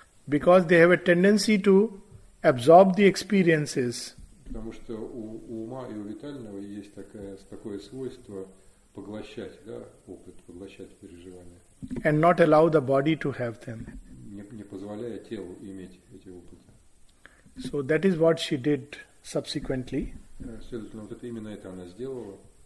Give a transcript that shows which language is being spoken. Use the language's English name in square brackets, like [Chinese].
[English] Because they have a tendency to absorb the experiences. [Russian] Потому что у ума и у витального есть такое свойство поглощать, да, опыт, поглощать переживания. [English] And not allow the body to have them. [Russian] Не позволяя телу иметь эти опыты. [English] So that is what she did subsequently. [Russian] Следовательно, вот это именно это она сделала.